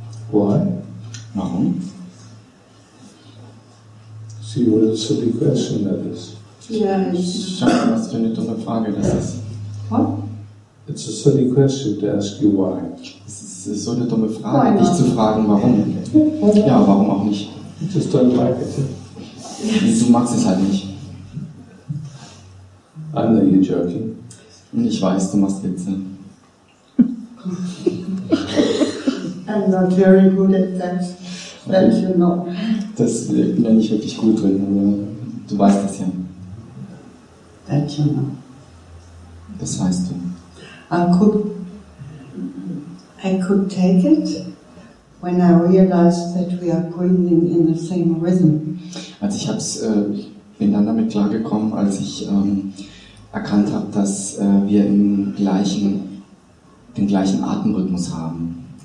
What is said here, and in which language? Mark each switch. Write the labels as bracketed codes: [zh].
[en] Why? [de] Warum? [en] See what a silly question that is. Yes. [de] Was für eine dumme Frage das ist. [en] What? It's a silly question to ask you why. [de] Es ist so eine dumme Frage, dich zu fragen, warum. Ja, warum auch nicht. [en] You just don't like it. [de] Yes. Du magst es halt nicht. [en] I know you're joking. [de] Und ich weiß, du machst Witze. [en] I'm not very good at that. That you know. [de] Das bin ja nicht wirklich gut drin, aber du weißt das ja. [en] That you know. [de] Das weißt du. [en] I could take it when I realized that we are breathing in the same rhythm. [de] Also ich hab's, bin dann damit klargekommen, als ich erkannt habe, dass wir den gleichen Atemrhythmus haben.